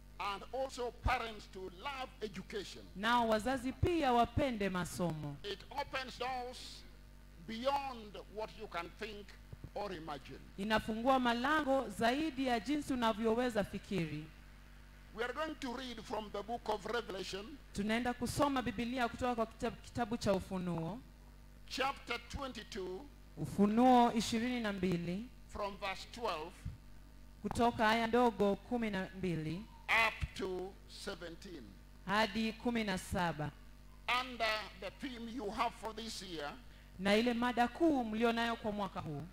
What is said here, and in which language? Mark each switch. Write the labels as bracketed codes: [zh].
[en] And also parents to love education. [sw] Nao wazazi pia wapende masomo. [en] It opens doors beyond what you can think or imagine. [sw] Inafungua malango zaidi ya jinsi unavyoweza fikiri. [en] We are going to read from the book of Revelation. [sw] Tunaenda kusoma Biblia kutoka kwa kitabu cha Ufunuo. [en] Chapter 22. [sw] Ufunuo 22. [en] From verse 12. [sw] Kutoka aya ndogo 12. [en] Up to 17. [sw] Hadi 17. [en] Under the theme you have for this year. [sw] Na ile mada kuu mlionayo kwa mwaka huu.